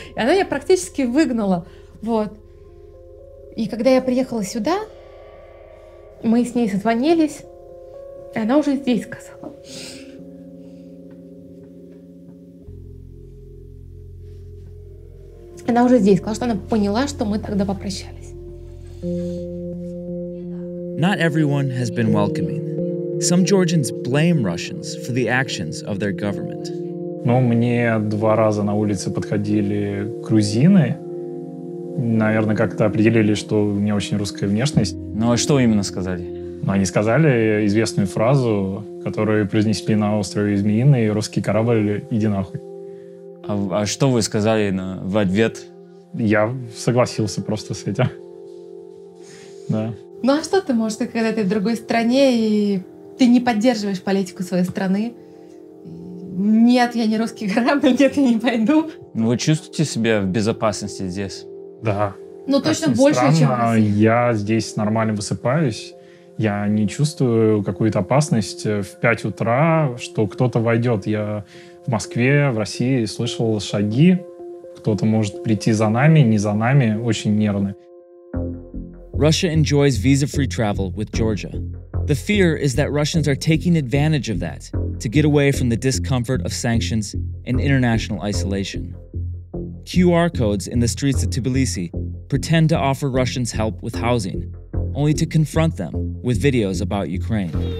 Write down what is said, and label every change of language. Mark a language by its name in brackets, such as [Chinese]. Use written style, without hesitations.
[Russian] И она меня практически выгнала, вот. И когда я приехала сюда, мы с ней созвонились, и она уже здесь сказала. Она уже здесь сказала, что она поняла, что мы тогда попрощались. [English] Not everyone has been welcoming. Some Georgians blame Russians for the actions of their government. [Russian] Ну, мне два раза на улице подходили грузины. Наверное, как-то определили, что у меня очень русская внешность. Ну, а что именно сказали? Ну, они сказали известную фразу, которую произнесли на острове Змеиный, русский корабль, иди нахуй. А что вы сказали в ответ? Я согласился просто с этим. Да. Ну а что ты можешь сказать, когда ты в другой стране и ты не поддерживаешь политику своей страны? Нет, я не русский корабль, нет, я не пойду. Ну вы чувствуете себя в безопасности здесь? Да. Ну точно больше, странно, чем в России. Я здесь нормально высыпаюсь, я не чувствую какую-то опасность в 5 утра, что кто-то войдет. Я в Москве, в России слышал шаги, кто-то может прийти за нами, не за нами, очень нервно. [English] Russia enjoys visa-free travel with Georgia. The fear is that Russians are taking advantage of that to get away from the discomfort of sanctions and international isolation. QR codes in the streets of Tbilisi pretend to offer Russians help with housing, only to confront them with videos about Ukraine.